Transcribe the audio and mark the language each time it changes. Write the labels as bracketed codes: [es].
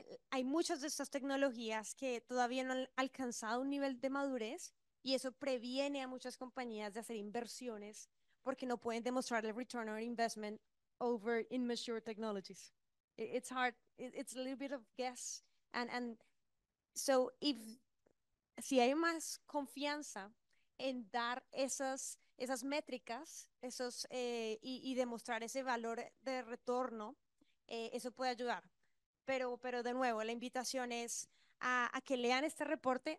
[es] Hay muchas de estas tecnologías que todavía no han alcanzado un nivel de madurez y eso previene a muchas compañías de hacer inversiones porque no pueden demostrar el [en] return on investment over immature technologies. It's hard, it's a little bit of guess. And so if, [es] si hay más confianza en dar esas métricas y demostrar ese valor de retorno, eso puede ayudar. Pero de nuevo, la invitación es a que lean este reporte.